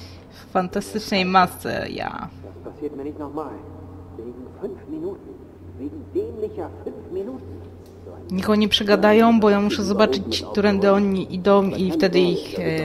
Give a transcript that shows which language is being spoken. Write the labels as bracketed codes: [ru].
[pl] W fantastycznej masce, ja. [de] Das passiert mir nicht nochmal. Wegen fünf Minuten. Wegen dämlicher fünf Minuten. [pl] Niech oni przegadają, bo ja muszę zobaczyć, którędy oni idą i wtedy ich...